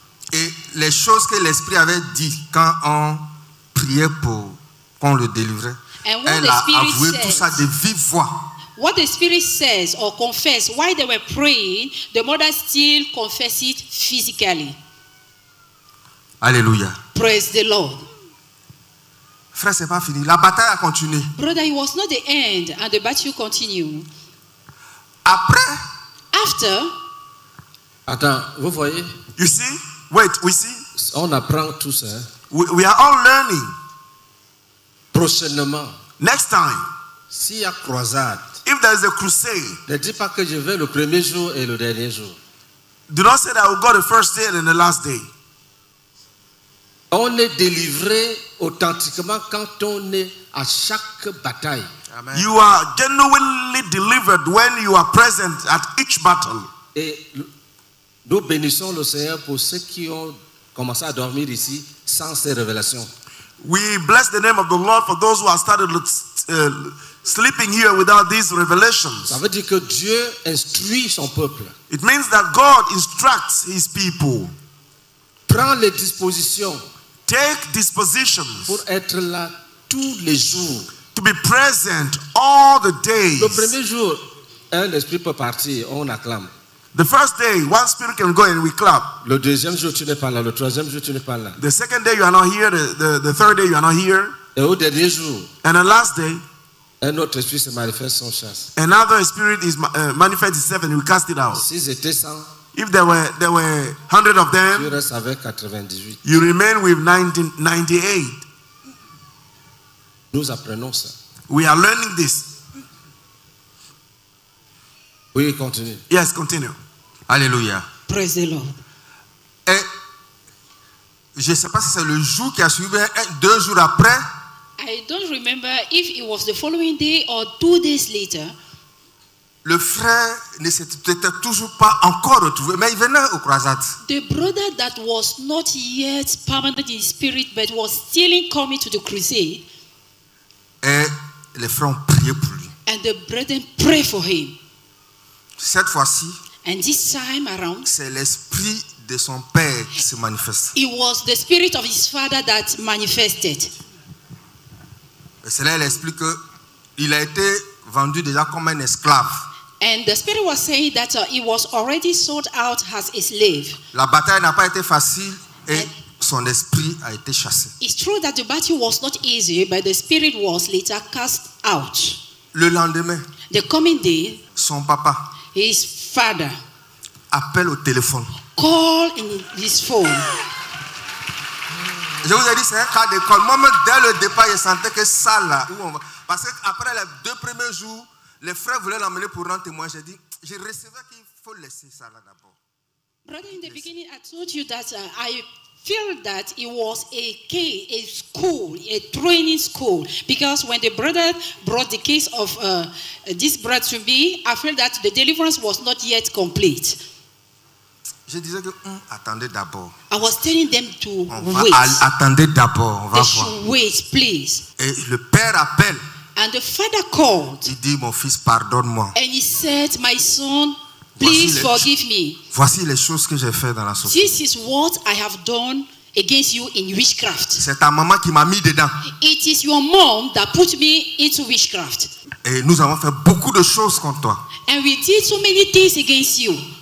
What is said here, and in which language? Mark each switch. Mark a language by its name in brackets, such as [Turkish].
[French] Et les choses que l'esprit avait dit quand on priait pour qu'on le délivrait, elle a avoué tout ça de vive voix. [English] What the spirit says or confess while they were praying, the mother still confessed it physically. [French] Alléluia. [English] Praise the Lord. [French] Frère, c'est pas fini. La bataille a continué. [English] Brother, it was not the end, and the battle continued. [French] Après. [English] After. [French] Attends, vous voyez? [English] You see? Wait, we see. [French] On apprend tout ça. [English] We are all learning. [French] Prochainement. [English] Next time. [French] S'il y a croisade. [English] If there is a crusade. [French] Ne dis pas que je vais le premier jour et le dernier jour. [English] Do not say that I will go the first day and then the last day. [French] On est délivré authentiquement quand on est à chaque bataille. [English] Amen. You are genuinely delivered when you are present at each battle. [French] Et nous bénissons le Seigneur pour ceux qui ont commencé à dormir ici sans ces révélations. [English] We bless the name of the Lord for those who have started sleeping here without these revelations. [French] Ça veut dire que Dieu instruit son peuple. [English] It means that God instructs his people. [French] Prends les dispositions. [English] Take dispositions. [French] Pour être là tous les jours. [English] to be present all the days. [French] Le premier jour, un esprit peut partir, on acclame. [English] The first day, one spirit can go and we clap. [French] Le deuxième jour, tu n'es pas là. Le troisième jour, tu n'es pas là. [English] The second day, you are not here. The third day, you are not here. [French] Et au dernier jour, [English] and the last day, [French] un autre esprit se manifeste sans chasse. [English] Another spirit is manifest itself and we cast it out. [French] Si c'était 100, [English] if there were 100 of them, [French] tu restes avec 98. [English] You remain with 98. [French] Nous apprenons ça. [English] We are learning this. [French] Oui, continue. [English] Yes, continue. Alléluia. Praise the Lord. [French] Et je ne sais pas si c'est le jour qui a suivi, deux jours après. [English] I don't remember if it was the following day or 2 days later. [French] Le frère ne s'était toujours pas encore retrouvé, mais il venait aux croisades. [English] The brother that was not yet permanent in spirit, but was still coming to the crusade. [French] Et les frères ont prié pour lui. [English] And the brethren prayed for him. [French] Cette fois-ci, [English] and this time around, [French] c'est l'esprit de son père qui se manifeste. [English] It was the spirit of his father that manifested. [French] Et c'est là qu'il explique qu'il a été vendu déjà comme un esclave. [English] And the spirit was saying that he was already sold out as a slave. [French] La bataille n'a pas été facile et son esprit a été chassé. [English] It's true that the battle was not easy, but the spirit was later cast out. [French] Le lendemain, [English] the coming day, [French] son papa, [English] his father, [French] appelle au téléphone. [English] Call in his phone. [French] Je vous ai dit, c'est un cas d'école. Moi-même, dès le départ, je sentais que ça, là, où on va. Parce qu'après les deux premiers jours, les frères voulaient l'emmener pour rendre témoin. J'ai dit, je recevais qu'il faut laisser ça, là, d'abord. [English] Brother, in the beginning, I told you that I feel that it was a case, a school, a training school. Because when the brother brought the case of this brother to me, I felt that the deliverance was not yet complete. [French] Je disais que attendez d'abord. [English] I was telling them to wait. [French] Attendez d'abord, on va voir. [English] Wait, please. [French] Et le père appelle. [English] And the father called. [French] Il dit, mon fils, pardonne-moi. [English] And he said, my son, please forgive me. [French] Voici les choses que j'ai fait dans la société. [English] This is what I have done against you in witchcraft. [French] C'est ta maman qui m'a mis dedans. [English] It is your mom that put me into witchcraft. [French] Et nous avons fait beaucoup de choses contre toi. [English] And we did so many things against you.